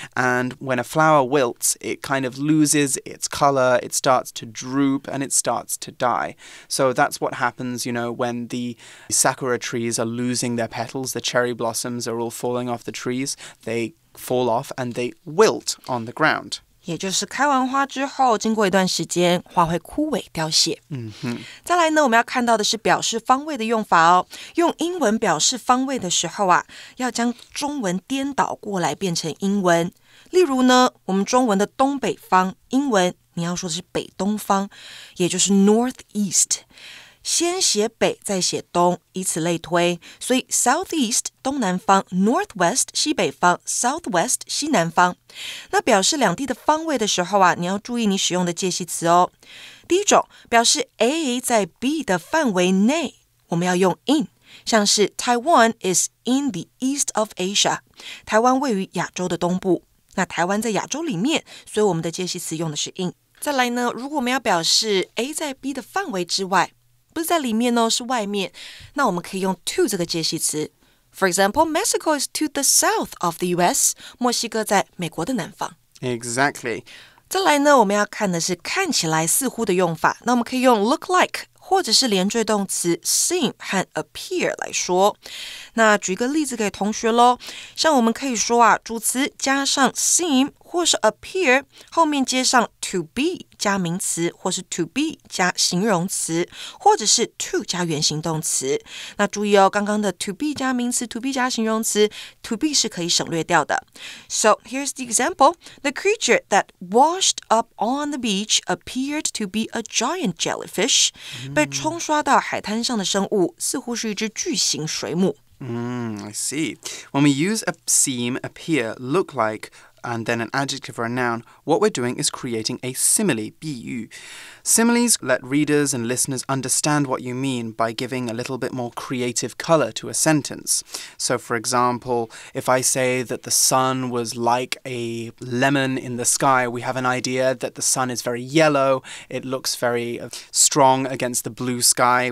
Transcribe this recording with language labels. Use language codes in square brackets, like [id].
[en] And when a flower wilts, it kind of loses its color, it starts to droop, and it starts to die. So that's what happens, you know, when the sakura trees are losing their petals, the cherry blossoms are all falling off the trees, they fall off and they wilt on the ground. [zh] 也就是开完花之后，经过一段时间，花会枯萎凋谢。嗯哼。再来呢，我们要看到的是表示方位的用法哦。用英文表示方位的时候啊，要将中文颠倒过来变成英文。例如呢，我们中文的东北方，英文你要说的是北东方，也就是 northeast。先写北，再写东，以此类推。所以 southeast 东南方 ，northwest 西北方 ，southwest 西南方。那表示两地的方位的时候啊，你要注意你使用的介系词哦。第一种表示 A 在 B 的范围内，我们要用 in， 像是 [en] Taiwan is in the east of Asia， [zh] 台湾位于亚洲的东部。那台湾在亚洲里面，所以我们的介系词用的是 in。再来呢，如果我们要表示 A 在 B 的范围之外，不是在里面哦，是外面。那我们可以用 to 这个介系词。 [en] For example, Mexico is to the south of the US. [zh] 墨西哥在美国的南方。 [en] Exactly. [zh] 再来呢，我们要看的是看起来似乎的用法。那我们可以用 look like 或者是连缀动词 seem 和 appear 来说。那举个例子给同学咯。像我们可以说啊，主词加上 seem 或是 appear， 后面接上 to be。加名词或是 to be 加形容词或者是 to 加原形动词。那注意哦，刚刚的 to be 加名词 to be 加形容词 to be 是可以省略掉的。 [en] So here's the example. The creature that washed up on the beach appeared to be a giant jellyfish. [zh] 被冲刷到海滩上的生物似乎是一只巨型水母。 [en] I see. When we use a seem, appear, look likeand then an adjective or a noun, what we're doing is creating a simile, 比喻. Similes let readers and listeners understand what you mean by giving a little bit more creative colour to a sentence. So, for example, if I say that the sun was like a lemon in the sky, we have an idea that the sun is very yellow, it looks very strong against the blue sky.